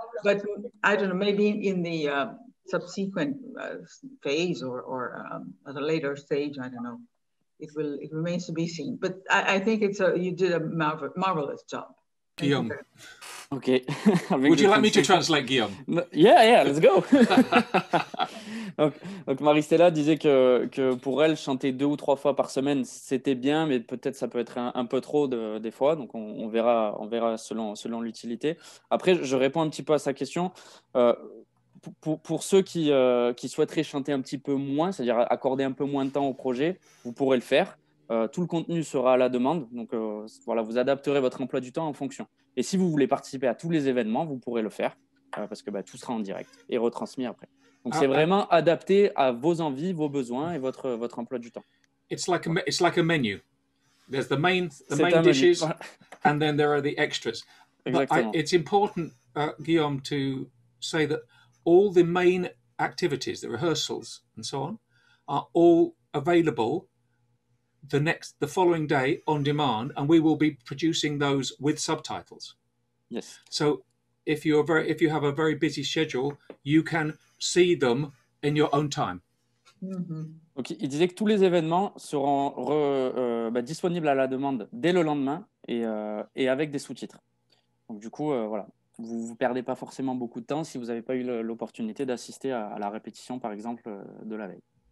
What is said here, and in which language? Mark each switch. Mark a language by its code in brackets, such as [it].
[en] But I don't know, maybe in the subsequent phase or at a later stage, I don't know, it remains to be seen. But I think you did a marvelous job. Guillaume. Okay. Would you like me to translate, Guillaume? Yeah, let's go. [fr] Donc Maristella disait que pour elle, chanter deux ou trois fois par semaine, c'était bien, mais peut-être ça peut être un peu trop des fois. Donc on verra selon l'utilité. Après, je réponds un petit peu à sa question. Pour ceux qui souhaiteraient chanter un petit peu moins, c'est-à-dire accorder un peu moins de temps au projet, vous pourrez le faire. Tout le contenu sera à la demande. Donc voilà, vous adapterez votre emploi du temps en fonction. Et si vous voulez participer à tous les événements, vous pourrez le faire parce que tout sera en direct et retransmis après. Donc c'est vraiment adapté à vos envies, vos besoins et votre emploi du temps. [en] It's like a menu. There's the main dishes, and then there are the extras. [fr] Exactement. [en] But it's important, Guillaume, to say that all the main activities, the rehearsals and so on, are all available the following day on demand, and we will be producing those with subtitles. Yes. So if you have a very busy schedule, you can see them in your own time. Mm-hmm. Okay. [fr] Il disait que tous les événements seront disponibles à la demande dès le lendemain et avec des sous-titres. Donc du coup, voilà, vous ne perdez pas forcément beaucoup de temps si vous n'avez pas eu l'opportunité d'assister à la répétition, par exemple, de la veille.